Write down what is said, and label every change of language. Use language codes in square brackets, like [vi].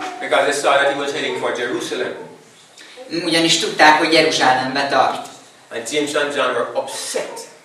[en] Because they saw that he was heading for Jerusalem. [hu] Ugyanis tudták, hogy Jeruzsálembe tart. [en] And James and John were upset.